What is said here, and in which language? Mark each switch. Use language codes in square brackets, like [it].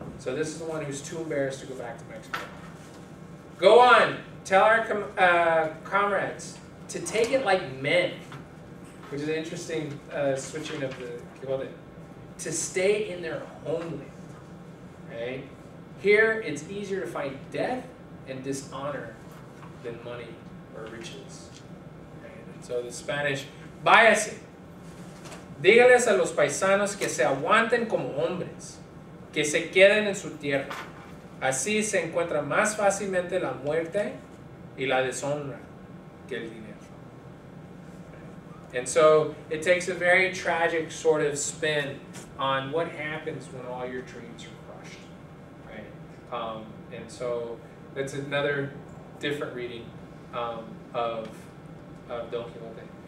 [en] So this is the one who's too embarrassed to go back to Mexico. Go on, tell our comrades to take it like men, which is an interesting switching of the quote, to stay in their homeland. Okay? Here, it's easier to find death and dishonor than money or riches. And so the Spanish, [es] váyase. Dígales a los paisanos que se aguanten como hombres, que se queden en su tierra. Así se encuentra más fácilmente la muerte y la deshonra que el dinero. [en] And so it takes a very tragic sort of spin on what happens when all your dreams are crushed. Right? And so that's another different reading of Don Quixote.